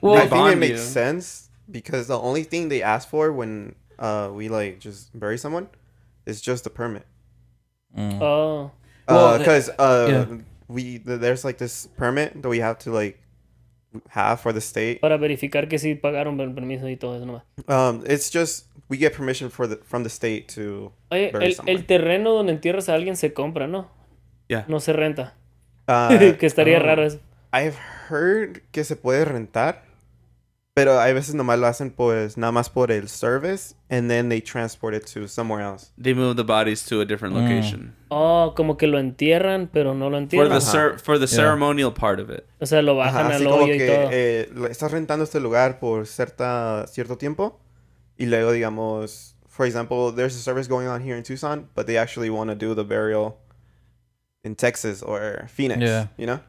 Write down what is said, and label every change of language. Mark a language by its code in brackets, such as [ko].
[en] I think it makes sense because the only thing they ask for when we like just bury someone is just a permit. Oh. Because there's like this permit that we have to like have for the state. [es] Para verificar que sí pagaron el permiso y todo eso nomás. [en] It's just we get permission from the state to. [es] Oye, el terreno donde entierras a alguien se compra, ¿no? [en] Yeah. [es] No se renta. que estaría raro eso. [en] I've heard [es] que se puede rentar, pero hay veces nomás lo hacen pues nada más por el [en] service and then they transport it to somewhere else. They move the bodies to a different location. [es] Oh, como que lo entierran, pero no lo entierran. [en] For the ceremonial part of it. [es] O sea, lo bajan al hoyo y todo. Así como que estás rentando este lugar por cierto tiempo y luego digamos, [en] for example, there's a service going on here in Tucson, but they actually want to do the burial in Texas or Phoenix, you know?